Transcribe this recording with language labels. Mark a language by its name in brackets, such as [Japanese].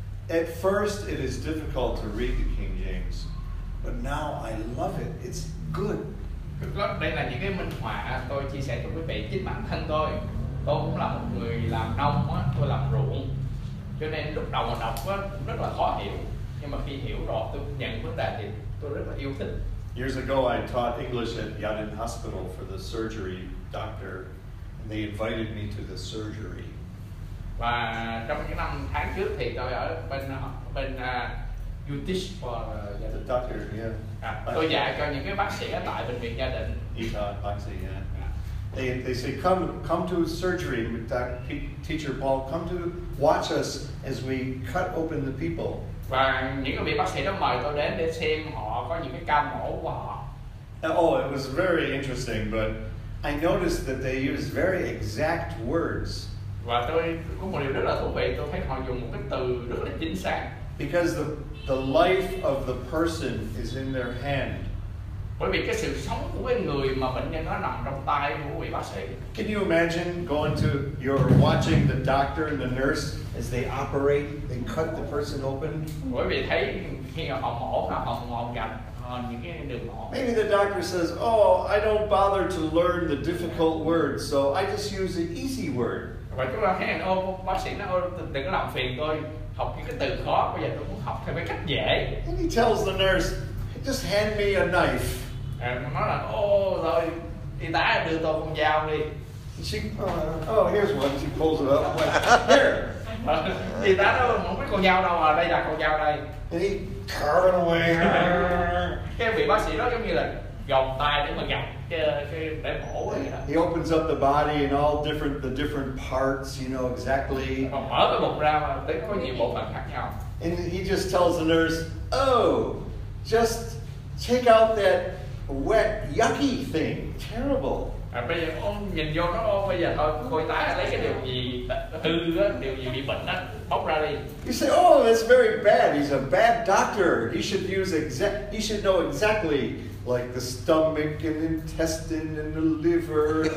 [English] At first, it is difficult to read the King James, but now I love it. It's good. [Vietnamese] Đây là những cái minh họa tôi chia sẻ cho quý vị chính bản thân tôi. Tôi cũng là một người làm nông á, tôi làm ruộng. Cho nên lúc đầu mà đọc á rất là khó hiểu. Nhưng mà khi hiểu rồi tôi nhận vấn đề thì tôi rất là yêu thích. [English] Years ago I taught English at Yadin Hospital for the surgery doctor and they invited me to the surgery. [Vietnamese] Và trong những năm tháng trước thì tôi ở bên Utish [English] for the doctor, yeah. [Vietnamese] Tôi dạy cho những cái bác sĩ ở tại bệnh viện gia đình. [English] He taught boxing, yeah. They say come to surgery, teacher Paul, come to watch us as we cut open the people. [Vietnamese] Và những vị bác sĩ đó mời tôi đến để xem họ có những cái ca mổ của họ. [English] Oh, it was very interesting, but I noticed that they use very exact words. [Vietnamese] Và tôi có một điều rất là thú vị, tôi thấy họ dùng một cái từ rất là chính xác. [English] Because the life of the person is in their hand. [Vietnamese] Bởi vì cái sự sống của cái người mà bệnh nhân nó nằm trong tay của vị bác sĩ. [English] Can you imagine going to, you're watching the doctor and the nurse as they operate, they cut the person open? [Vietnamese] Bởi vì thấy khi họ mổ, họ ngồi gạch những cái đường mổ. [English] Maybe the doctor says, oh, I don't bother to learn the difficult words, so I just use an easy word. [Vietnamese] Và chúng ta thấy, bác sĩ nó đừng có làm phiền tôi, học những cái từ khó, bây giờ tôi muốn học theo cái cách dễ. [English] And he tells the nurse, just hand me a knife. And [Vietnamese] nó nói là, oh, rồi, y tá đưa tôi con dao đi. [English] She, here's one. She pulls it up. Here. [Vietnamese] Y tá nói, không biết con dao đâu à? Đây là con dao đây. [English] And he turned away. [Vietnamese] Cái vị bác sĩ đó giống như là gồng tay để mà gặp cái để mổ vậy đó. [English] He opens up the body and all different the different parts, you know exactly. [Vietnamese] Mở cái bụng ra mà thấy có nhiều bộ phận khác nhau. [English] And he just tells the nurse, oh. Just take out that wet, yucky thing. Terrible. [Vietnamese] À, bây giờ ông nhìn vô nó, ông bây giờ thôi, coi tá lấy cái điều gì hư á, điều gì bị bệnh á, bóc ra đi. [English] You say, oh, that's very bad. He's a bad doctor. He should use exact. He should know exactly, like the stomach and intestine and the liver.